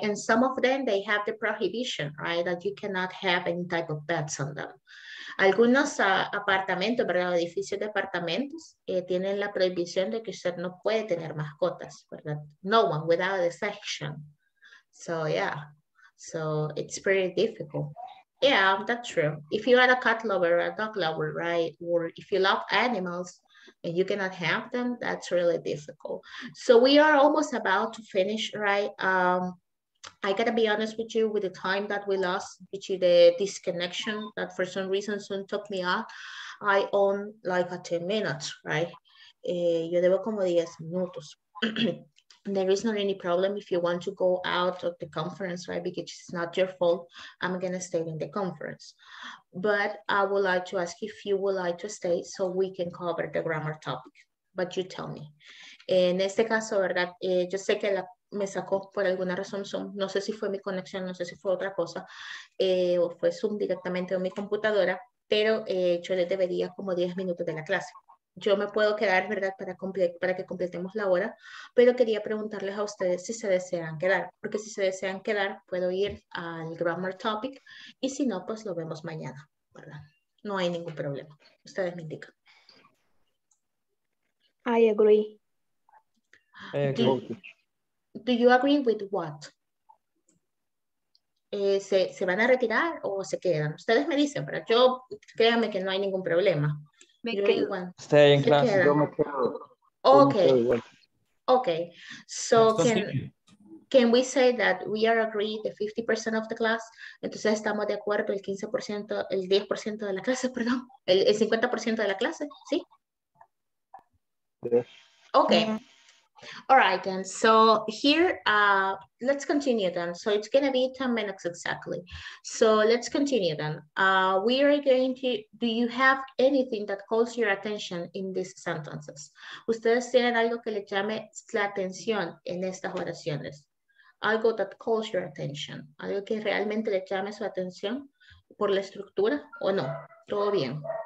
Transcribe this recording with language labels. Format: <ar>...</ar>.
<en>And some of them, they have the prohibition, right? That you cannot have any type of pets on them.</en> <es>Algunos apartamentos, ¿verdad? Edificios de apartamentos tienen la prohibición de que usted no puede tener mascotas, ¿verdad?</es> <en>No one, without a exception. So, yeah. So, it's pretty difficult. Yeah, that's true. If you are a cat lover or a dog lover, right? Or if you love animals, and you cannot have them, that's really difficult. So we are almost about to finish, right? I gotta be honest with you with the time that we lost, which is the disconnection that for some reason soon took me off. I own like a 10 minutes, right?</en> <es>Yo debo como 10 minutos.</es> <en>There is not any problem if you want to go out of the conference, right? Because it's not your fault. I'm gonna stay in the conference. But I would like to ask if you would like to stay so we can cover the grammar topic. But you tell me.</en> <es>En este caso, ¿verdad? Yo sé que me sacó por alguna razón Zoom. No sé si fue mi conexión, no sé si fue otra cosa. O fue Zoom directamente en mi computadora. Pero yo le debería como 10 minutos de la clase. Yo me puedo quedar, ¿verdad? Para que completemos la hora. Pero quería preguntarles a ustedes si se desean quedar. Porque si se desean quedar, puedo ir al grammar topic. Y si no, pues lo vemos mañana, ¿verdad? No hay ningún problema. Ustedes me indican.</es> <en>I agree. Do you agree with what?</en> <es>¿Se van a retirar o se quedan? Ustedes me dicen, pero yo créanme que no hay ningún problema.</es> <en>Stay in class.</en> <es>Yo me quedo.</es> <en>Okay. Okay. So can we say that we are agreed the 50% of the class?</en> <es>Entonces estamos de acuerdo el 15%, el 10% de la clase, perdón, el 50% de la clase, ¿sí?</es> <en>Yes. Okay. Mm-hmm. All right then. So here, let's continue then. So it's gonna be 10 minutes exactly. So let's continue then. We are going to, do you have anything that calls your attention in these sentences?</en> <es>¿Ustedes tienen algo que le llame la atención en estas oraciones? Algo</es> <en>that calls your attention.</en> <es>Algo que realmente le llame su atención por la estructura o no? Todo bien.</es>